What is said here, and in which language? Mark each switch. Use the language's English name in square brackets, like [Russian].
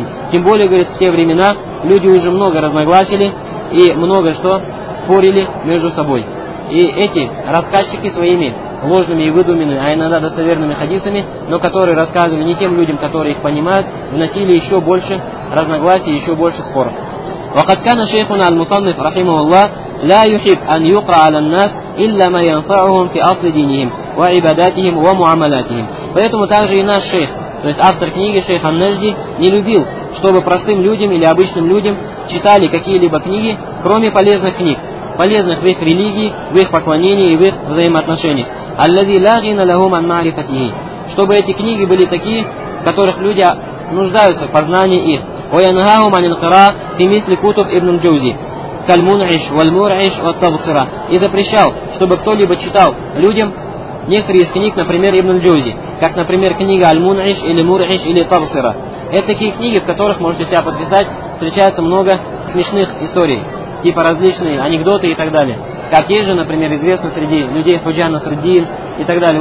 [Russian] Тем более, говорит, в те времена люди уже много разногласили и много что спорили между собой. И эти рассказчики своими ложными и выдуманными, а иногда достоверными хадисами, но которые рассказывали не тем людям, которые их понимают, вносили еще больше разногласий, еще больше споров. [Arabic] وقد كان شيخنا المصنف رحمه الله لا يحب أن يقرأ على الناس إلا ما ينفعهم في أصل دينهم وعباداتهم ومعاملاتهم. [Russian] Поэтому также и наш шейх, то есть автор книги шейх Ан-Нежди, не любил, чтобы простым людям или обычным людям читали какие-либо книги, кроме полезных книг, полезных в их религии, в их поклонении и в их взаимоотношениях. [Arabic] الذي لا غنى لهم عن معرفته. [Russian] Чтобы эти книги были такие, в которых люди нуждаются в познании их. [Arabic] وينهاهم عن القراءة في مثل كتب ابن الجوزي كالمنعش والمرعش والتبصرة. [Russian] И запрещал, чтобы кто-либо читал людям некоторые из книг, например, ибн Джузи, как, например, книга «Аль-Мунъиш» или «Муръиш» или «Табсира». Это такие книги, в которых, можете себя подписать, встречается много смешных историй, типа различные анекдоты и так далее. Как те же, например, известны среди людей Ходжа Насруддин и так далее.